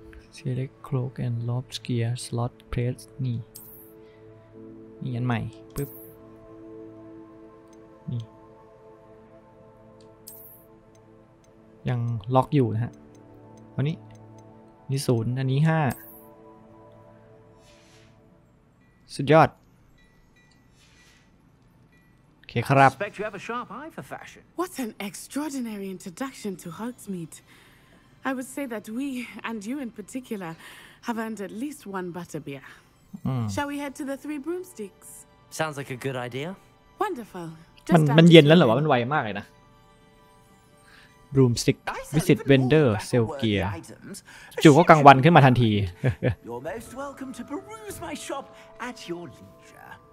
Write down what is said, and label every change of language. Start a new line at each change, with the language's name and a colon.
English: Select cloak and lob gear slot place
Thai: นี่ นี่อันใหม่ ปึ๊บ ยังล็อกอยู่นะฮะ อันนี้ 0 อันนี้ 5 สุดยอด โอเคครับ
English: Expect you have a sharp eye for fashion. What an extraordinary introduction to Hogsmeade. I would say that we and you in particular have earned at least one butterbeer. Shall we head to the Three Broomsticks? Sounds like a good idea. Wonderful.
Thai: มันเย็นแล้วเหรอวะมันไวมากเลยนะ
English: Broomstick Visit Vendor Sell Gear
Thai: จู่ก็กลางวันขึ้นมาทันที
English: You're most welcome to peruse my shop at your leisure